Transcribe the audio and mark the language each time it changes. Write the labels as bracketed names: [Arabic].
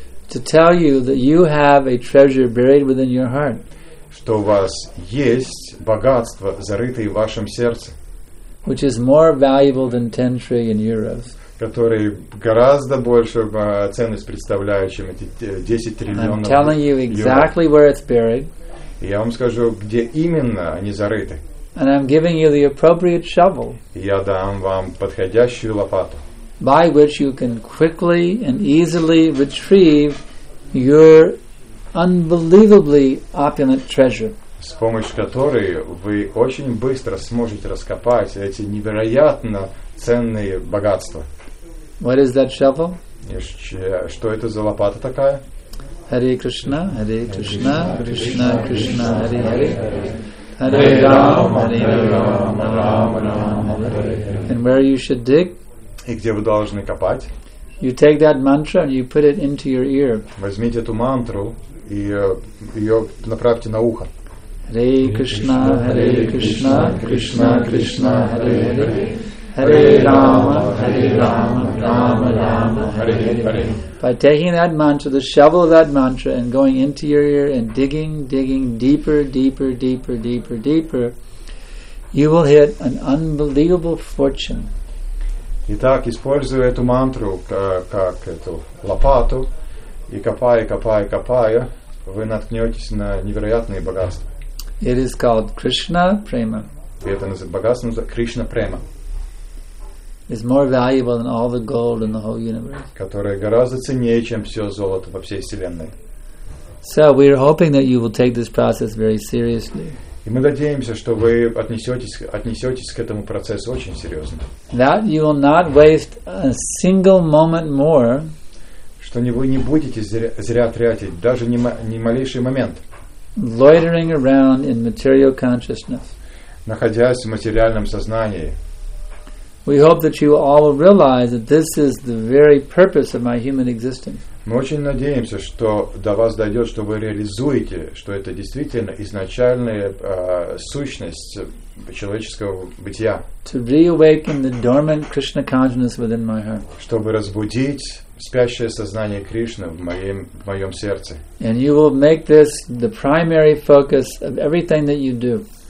[English] To tell you that you have a treasure buried within your heart. [Russian] Что у вас есть богатство, зарытое в вашем сердце. [English] Which is more valuable than 10 trillion euros. [Russian] Который гораздо больше ценность представляет, чем эти 10 триллионов евро. [English] I'm telling you exactly where it's buried. [Russian] Я вам скажу, где именно они зарыты. [English] And I'm giving you the appropriate shovel. [Russian] Я дам вам подходящую лопату. [English] By which you can quickly and easily retrieve your unbelievably opulent treasure. [Russian] С помощью которой вы очень быстро сможете раскопать эти невероятно ценные богатства. [English] What is that shovel? [Russian] Что это за лопата такая? [Sanskrit] Hare Krishna, Hare Krishna, Krishna Krishna, Hare Hare. Hare Rama, Hare Rama, Rama Rama, Hare Hare. [English] And where you should dig? [Russian] И где вы должны копать? [English] You take that mantra and you put it into your ear. [Russian] Возьмите эту мантру и ее направьте на ухо. [Sanskrit] Hare Krishna, Hare Krishna, Krishna Krishna, Hare Hare. Hare Rama, Hare Rama, Rama Rama, Hare Hare. [English] By taking that mantra, the shovel of that mantra, and going into your ear and digging, digging deeper, deeper, deeper, deeper, deeper, you will hit an unbelievable fortune. [Russian] Итак, используя эту мантру как эту лопату, и копая, копая, копая, вы наткнетесь на невероятные богатства. [English] It is called Krishna Prema. [Russian] Это богатство называется Кришна Према. [English] Is more valuable than all the gold in the whole universe. [Russian] Которая гораздо ценнее, чем все золото во всей вселенной. [English] So we are hoping that you will take this process very seriously. [Russian] И мы надеемся, что вы отнесетесь к этому процессу очень серьезно. [English] That you will not waste a single moment more. [Russian] Что вы не будете зря тратить даже ни малейший момент. [English] Loitering around in material consciousness. [Russian] Находясь в материальном сознании. [English] We hope that you all will realize that this is the very purpose of my human existence. [Russian] Мы очень надеемся, что до вас дойдет, что вы реализуете, что это действительно изначальная сущность человеческого бытия. [English] To reawaken the dormant Krishna consciousness within my heart. [Russian] Чтобы разбудить спящее сознание Кришны в моем сердце. [English] And you will make this the primary focus of everything that you do.